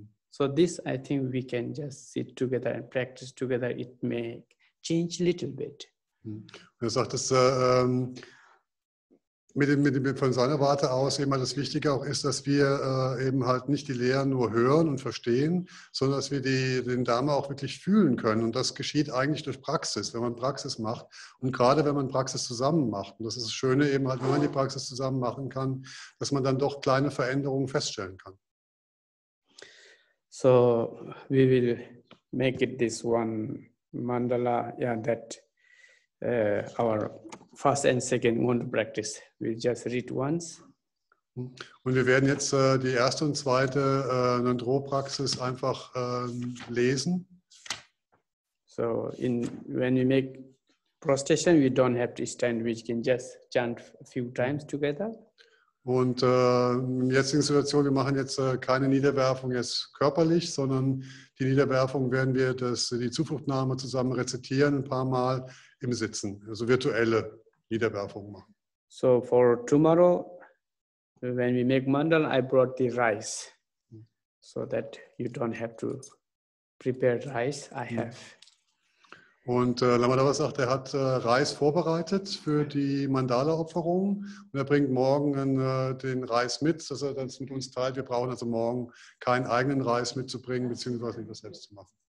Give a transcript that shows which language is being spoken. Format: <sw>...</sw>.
<en>So this, I think we can just sit together and practice together. It may change a little bit.</en> <de>Er sagt, dass von seiner Warte aus eben halt das Wichtige auch ist, dass wir eben halt nicht die Lehren nur hören und verstehen, sondern dass wir den Dharma auch wirklich fühlen können. Und das geschieht eigentlich durch Praxis, wenn man Praxis macht. Und gerade wenn man Praxis zusammen macht. Und das ist das Schöne eben halt, wenn man die Praxis zusammen machen kann, dass man dann doch kleine Veränderungen feststellen kann.</de> <en>So, we will make it this one mandala, yeah, that our first and second Ngöndro practice. We'll just read once.</en> <de>Und wir werden jetzt die erste und zweite Ngöndro-Praxis einfach lesen.</de> <en>So, when we make prostration, we don't have to stand. We can just chant a few times together.</en> <de>Und in der jetzigen Situation, wir machen jetzt keine Niederwerfung jetzt körperlich, sondern die Niederwerfung werden wir die Zufluchtnahme zusammen rezitieren, ein paar Mal im Sitzen, also virtuelle Niederwerfung machen.</de> <en>So for tomorrow, when we make mandala, I brought the rice, so that you don't have to prepare rice, I have.</en> <de>Und Lama Dawa sagt, er hat Reis vorbereitet für die Mandala-Opferung und er bringt morgen den Reis mit, dass er das mit uns teilt. Wir brauchen also morgen keinen eigenen Reis mitzubringen, beziehungsweise lieber selbst zu machen.</de>